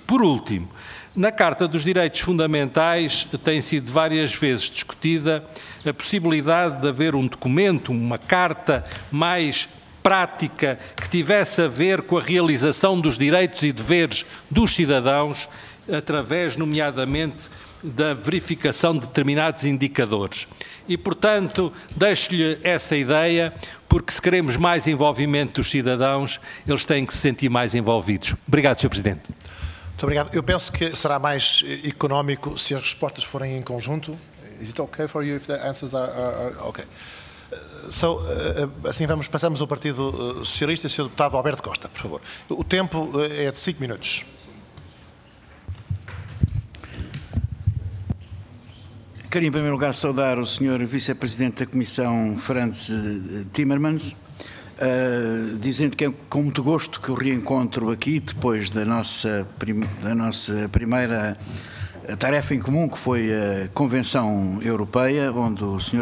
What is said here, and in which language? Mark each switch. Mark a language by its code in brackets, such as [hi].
[pt] Por último, na Carta dos Direitos Fundamentais tem sido várias vezes discutida a possibilidade de haver um documento, uma carta mais prática que tivesse a ver com a realização dos direitos e deveres dos cidadãos através, nomeadamente, da verificação de determinados indicadores. E, portanto, deixo-lhe essa ideia, porque se queremos mais envolvimento dos cidadãos, eles têm que se sentir mais envolvidos. Obrigado, Sr. Presidente. Muito obrigado. Eu penso que será mais económico se as respostas forem em conjunto. [en] Is it okay for you if the answers are okay? [pt] So, assim vamos, passamos ao Partido Socialista, Sr. Deputado Alberto Costa, por favor. O tempo é de 5 minutos. Queria, em primeiro lugar, saudar o Sr. Vice-Presidente da Comissão, Frans Timmermans, dizendo que é com muito gosto que o reencontro aqui, depois da nossa primeira a tarefa em comum, que foi a Convenção Europeia, onde o Sr.